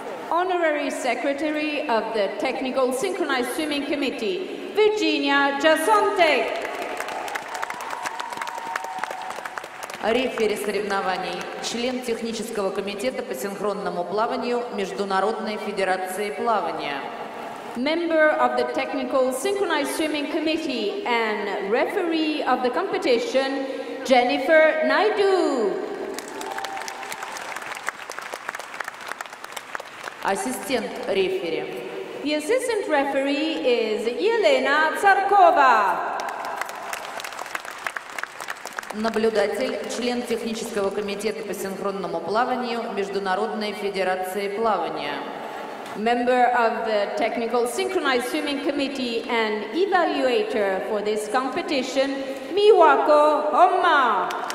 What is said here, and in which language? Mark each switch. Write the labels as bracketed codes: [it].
[en] Honorary Secretary of the Technical Synchronized Swimming Committee, Virginia Jasontek. [ru] Рефери соревнований, член технического комитета по синхронному плаванию Международной федерации плавания. [en] Member of the Technical Synchronized Swimming Committee and referee of the competition, Jennifer Naidu. Assistant referee. The assistant referee is Елена Царкова. [ru] Наблюдатель, член технического комитета по синхронному плаванию Международной федерации плавания. [en] Member of the Technical Synchronized Swimming Committee and evaluator for this competition, Miwako Homma.